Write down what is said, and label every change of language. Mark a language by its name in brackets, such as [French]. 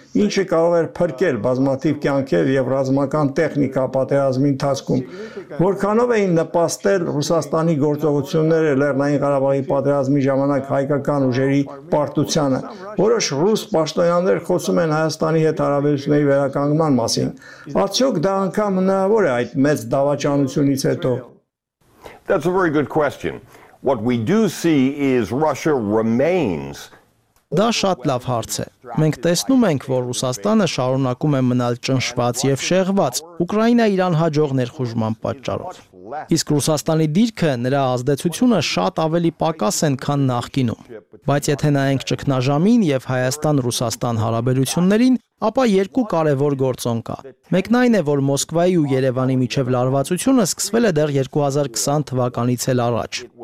[Armenian] ինչը կարող էր փրկել բազմաթիվ կյանքեր եւ ռազմական տեխնիկա պատերազմի ընթացքում։ Որքանով էին նպաստել Ռուսաստանի գործողությունները Լեռնային Ղարաբաղի պատերազմի ժամանակ հայկական ուժերի պարտությանը։ Որոշ ռուս պաշտոնյաներ խոսում են Հայաստանի հետ հարաբերությունների վերականգնման մասին։ Արդյոք դա անգամ հնարավոր է այդ մեծ դավաճանությունից հետո։ [English] That's a very good question. What we do see is Russia remains. [Armenian] Դա շատ լավ հարց է։ Մենք տեսնում ենք, որ Ռուսաստանը շարունակում է մնալ ճնշված եւ շեղված Ուկրաինայի անհաջող ներխուժման պատճառով։ Իսկ Ռուսաստանի դիրքը, նրա ազդեցությունը շատ ավելի պակաս են, քան նախկինում։ Բայց եթե նայենք ճգնաժամին եւ Հայաստան-Ռուսաստան հարաբերություններին, ապա երկու կարևոր գործոն կա։ Մեկն այն է, որ Մոսկվայի ու Երևանի միջև լարվածությունը սկսվել է դեռ 2020 թվականից էլ առաջ։